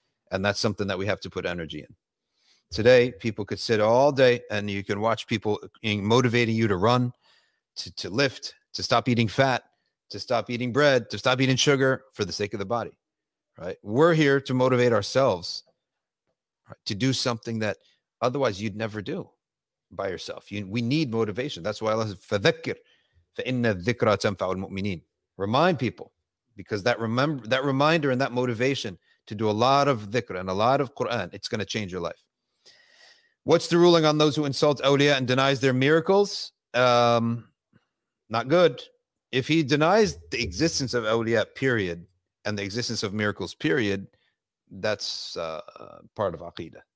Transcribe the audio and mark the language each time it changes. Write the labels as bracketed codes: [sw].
[en] And that's something that we have to put energy in. Today, people could sit all day and you can watch people motivating you to run, to lift, to stop eating fat, to stop eating bread, to stop eating sugar for the sake of the body, right? We're here to motivate ourselves, right, to do something that otherwise you'd never do by yourself. We need motivation. That's why Allah says, [ar] فَذَكِّرْ فَإِنَّ الذِّكْرَ تَنْفَعُ الْمُؤْمِنِينَ. [en] Remind people, because that reminder and that motivation to do a lot of dhikr and a lot of Quran, it's going to change your life. What's the ruling on those who insult awliya and denies their miracles? Not good. If he denies the existence of awliya, period, and the existence of miracles, period, that's part of aqidah.